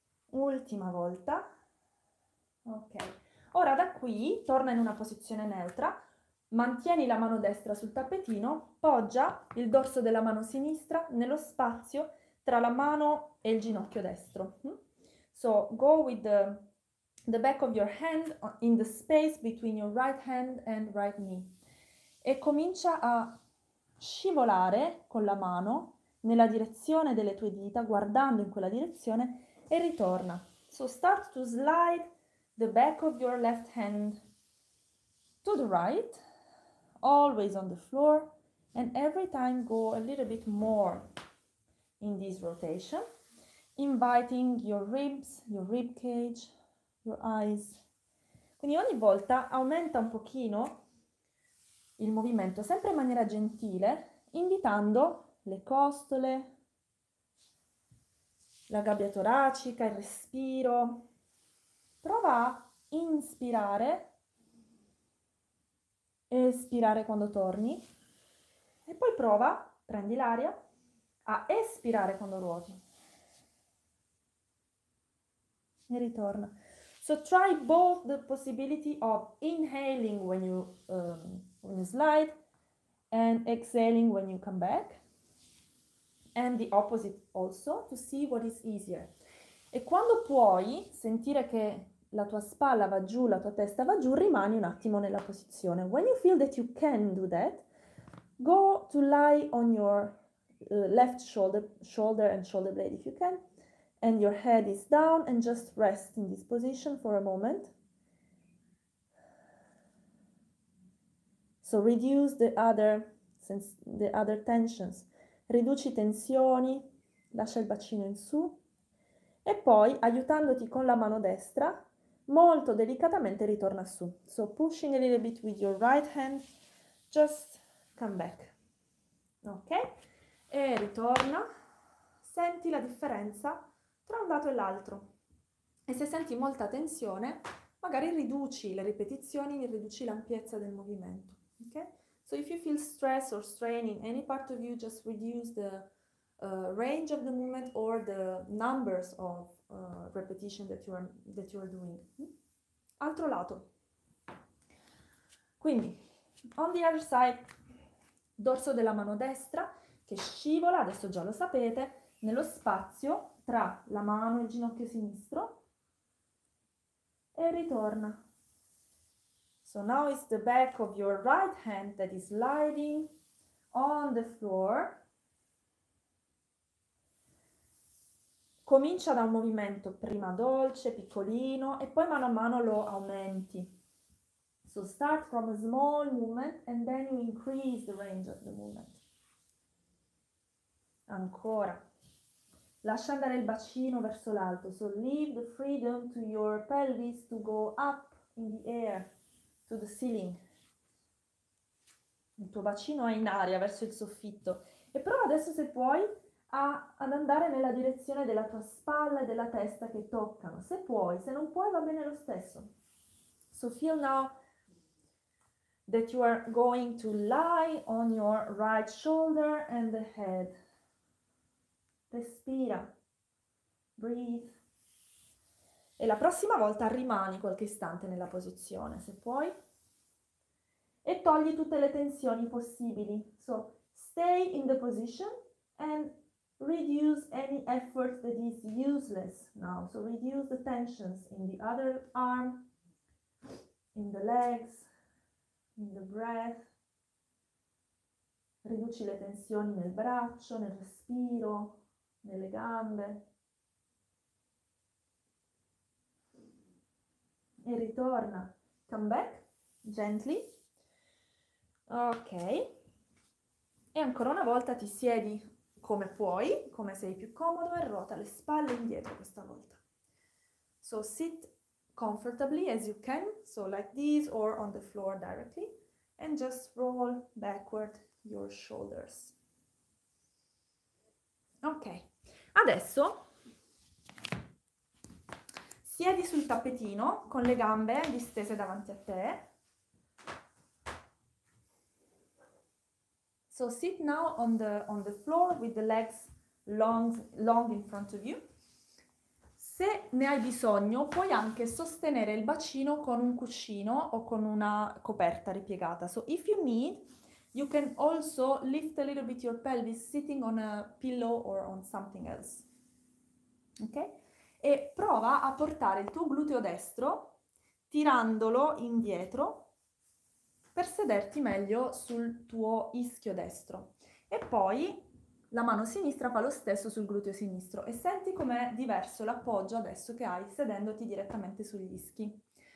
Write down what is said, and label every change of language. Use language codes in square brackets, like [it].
[it] Ultima volta. Ok. Ora da qui, torna in una posizione neutra, mantieni la mano destra sul tappetino, poggia il dorso della mano sinistra nello spazio tra la mano e il ginocchio destro. [en] So, go with the back of your hand in the space between your right hand and right knee. [it] E comincia a scivolare con la mano nella direzione delle tue dita, guardando in quella direzione, e ritorna. [en] So start to slide the back of your left hand to the right, always on the floor, and every time go a little bit more in this rotation, inviting your ribs, your rib cage, your eyes. [it] Quindi ogni volta aumenta un pochino il movimento, sempre in maniera gentile, invitando le costole, la gabbia toracica, il respiro. Prova a inspirare e espirare quando torni e poi prova, prendi l'aria, a espirare quando ruoti e ritorna. [en] So try both the possibility of inhaling when you slide and exhaling when you come back, and the opposite also, to see what is easier. [it] E quando puoi sentire che la tua spalla va giù, la tua testa va giù, rimani un attimo nella posizione. [en] When you feel that you can do that, go to lie on your left shoulder and shoulder blade if you can, and your head is down, and just rest in this position for a moment. So reduce the other tensions. [it] Riduci tensioni, lascia il bacino in su, e poi, aiutandoti con la mano destra, molto delicatamente ritorna su. [en] So pushing a little bit with your right hand, just come back. [it] Ok? E ritorna. Senti la differenza tra un lato e l'altro. E se senti molta tensione, magari riduci le ripetizioni, riduci l'ampiezza del movimento. Ok? [en] So if you feel stress or strain in any part of you, just reduce the range of the movement or the numbers of repetition that you are doing. [it] Altro lato. Quindi, [en] on the other side, [it] dorso della mano destra che scivola, adesso già lo sapete, nello spazio tra la mano e il ginocchio sinistro e ritorna. [en] So now it's the back of your right hand that is sliding on the floor. [it] Comincia da un movimento prima dolce, piccolino, e poi mano a mano lo aumenti. [en] So start from a small movement and then you increase the range of the movement. [it] Ancora. Lascia andare il bacino verso l'alto. [en] So leave the freedom to your pelvis to go up in the air to the ceiling. [it] Il tuo bacino è in aria verso il soffitto. E prova adesso, se puoi, ad andare nella direzione della tua spalla e della testa che toccano. Se puoi, se non puoi, va bene lo stesso. [en] So feel now that you are going to lie on your right shoulder and the head. [it] Respira. [en] Breathe. [it] E la prossima volta rimani qualche istante nella posizione, se puoi. E togli tutte le tensioni possibili. [en] So, stay in the position and reduce any effort that is useless now. So, reduce the tensions in the other arm, in the legs, in the breath. [it] Riduci le tensioni nel braccio, nel respiro, nelle gambe. E ritorna, [en] come back, gently. [it] Ok, e ancora una volta ti siedi come puoi, come sei più comodo, e ruota le spalle indietro questa volta. [en] So sit comfortably as you can, so like this or on the floor directly, and just roll backward your shoulders. [it] Ok, adesso siedi sul tappetino con le gambe distese davanti a te. [en] So sit now on the floor with the legs long in front of you. [it] Se ne hai bisogno, puoi anche sostenere il bacino con un cuscino o con una coperta ripiegata. [en] So if you need, you can also lift a little bit your pelvis sitting on a pillow or on something else. Ok? [it] E prova a portare il tuo gluteo destro tirandolo indietro per sederti meglio sul tuo ischio destro. E poi la mano sinistra fa lo stesso sul gluteo sinistro e senti com'è diverso l'appoggio adesso che hai sedendoti direttamente sugli ischi.